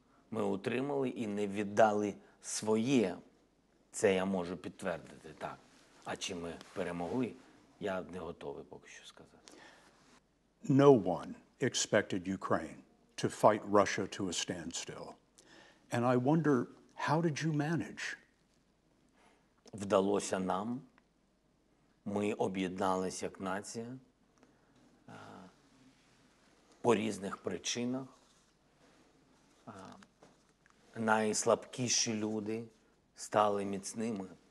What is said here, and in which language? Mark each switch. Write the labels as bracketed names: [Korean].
[Ukrainian] Ми утримали і не віддали своє, це я можу підтвердити, так. А чи ми перемогли, я не готовий поки що сказати. [English] No one expected Ukraine to fight Russia to a standstill. And I wonder, how did you manage? [Ukrainian] Вдалося нам. Ми об'єдналися як нація по різних причинах. Найслабкіші люди стали міцними.